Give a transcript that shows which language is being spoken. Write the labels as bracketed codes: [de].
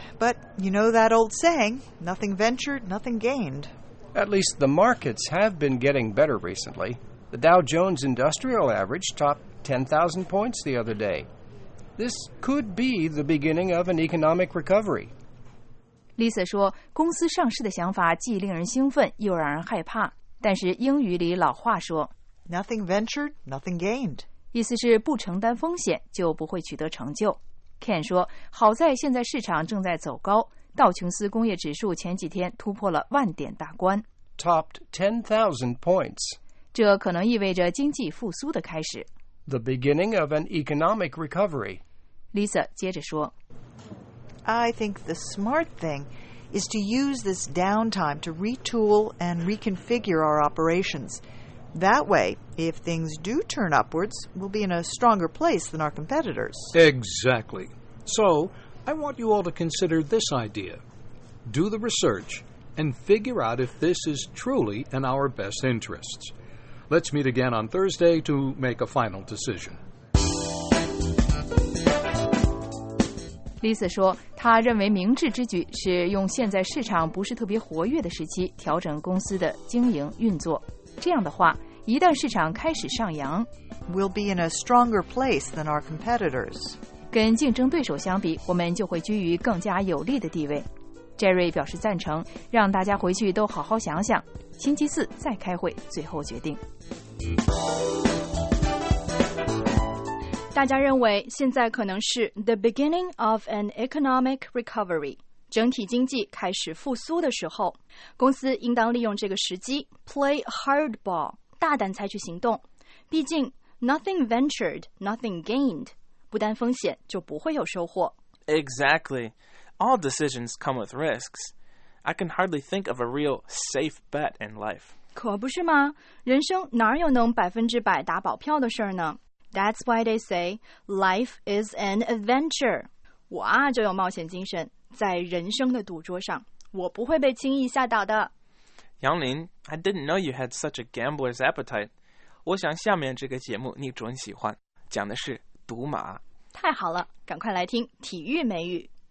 [en] But you know that old saying, nothing ventured, nothing gained. At least the markets have been getting better recently. The Dow Jones Industrial Average topped 10,000 points the other day. This could be the beginning of an economic recovery. [zh] Lisa 说，公司上市的想法既令人兴奋，又让人害怕。但是英语里老话说 [en] ，Nothing ventured, nothing gained. [zh] 意思是不承担风险就不会取得成就。Ken 说，好在现在市场正在走高，道琼斯工业指数前几天突破了万点大关 [en] ，topped 10,000 points. [zh] 这可能意味着经济复苏的开始。 [en] The beginning of an economic recovery. [zh] Lisa 接着说 [en] I think the smart thing is to use this downtime to retool and reconfigure our operations. That way, if things do turn upwards, we'll be in a stronger place than our competitors. Exactly. So, I want you all to consider this idea. Do the research and figure out if this is truly in our best interests. Let's meet again on Thursday to make a final decision. [zh] Lisa 说，他认为明智之举是用现在市场不是特别活跃的时期调整公司的经营运作。这样的话，一旦市场开始上扬 [en] ，We'll be in a stronger place than our competitors. [zh] 跟竞争对手相比，我们就会居于更加有利的地位。 Jerry 表示赞成，让大家回去都好好想想。星期四再开会，最后决定。大家认为现在可能是 [en] the beginning of an economic recovery， [zh] 整体经济开始复苏的时候，公司应当利用这个时机 [en] play hardball， [zh] 大胆采取行动。毕竟 [en] nothing ventured, nothing gained， [zh] 不担风险就不会有收获。 [en] Exactly, all decisions come with risks. I can hardly think of a real safe bet in life. [zh] 可不是吗？人生哪有能百分之百打保票的事儿呢？ [en] That's why they say life is an adventure. [zh] 我啊就有冒险精神，在人生的赌桌上，我不会被轻易吓倒的。 [en] 杨林， I didn't know you had such a gambler's appetite. [zh] 我想下面这个节目你准喜欢，讲的是赌马。太好了，赶快来听体育美语。